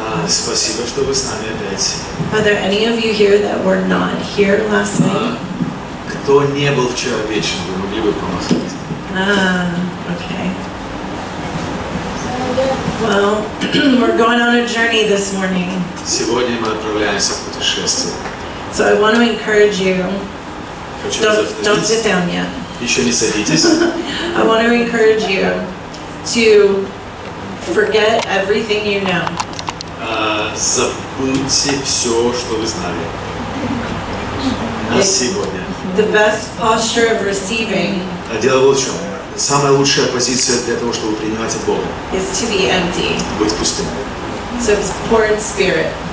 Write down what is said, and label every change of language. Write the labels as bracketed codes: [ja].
[ru] Спасибо, что вы с нами опять. [en] Are there any of you here that were not here last night? [ru] Кто не был вчера вечером, вы могли бы помахать? [en] Okay. Well, we're going on a journey this morning. [ru] Сегодня мы отправляемся в путешествие. [en] So I want to encourage you. Don't sit down yet. [ru] Еще не садитесь. [en] I want to encourage you to forget everything you know. [ru] Забудьте все, что вы знали. На сегодня. [en] The best posture of receiving. [ru] А дело вот в чем. Самая лучшая позиция для того, чтобы принимать от Бога. [en] Is to be empty. [ru] Быть пустым. [en] So it's poor in spirit.